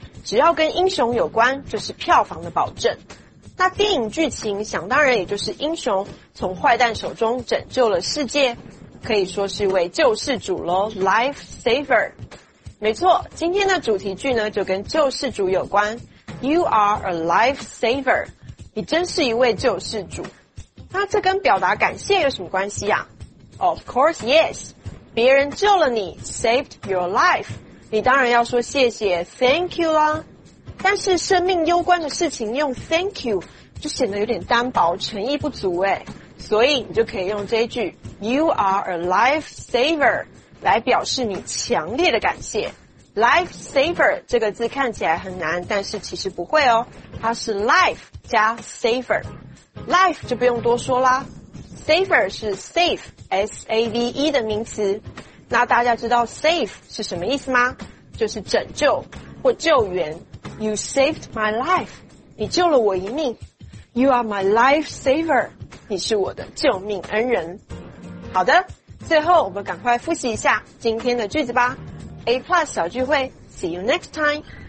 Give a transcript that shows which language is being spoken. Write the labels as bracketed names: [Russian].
[Chinese] 只要跟英雄有关，就是票房的保证。那电影剧情想当然也就是英雄从坏蛋手中拯救了世界。可以说是位救世主咯， Life Saver。没错，今天的主题句呢就跟救世主有关， [English] You are a Life Saver， [Chinese] 你真是一位救世主。那这跟表达感谢有什么关系啊？ [English] Of course yes， [Chinese] 别人救了你， [English] Saved your life， [Chinese] 你当然要说谢谢， [English] Thank you [Chinese] 啦。但是生命攸关的事情用 thank you 就显得有点单薄，诚意不足耶，所以你就可以用这一句 [English] You are a life saver [Chinese] 来表示你强烈的感谢。 Life saver 这个字看起来很难，但是其实不会哦，它是 life 加 saver， life 就不用多说啦， saver 是 save S-A-V-E 的名词。那大家知道 save 是什么意思吗？就是拯救或救援。 [English] You saved my life， [Chinese] 你救了我一命。 [English] You are my life saver， [Chinese] 你是我的救命恩人。好的，最后我们赶快复习一下今天的句子吧。 A Plus 小聚会， [English] See you next time。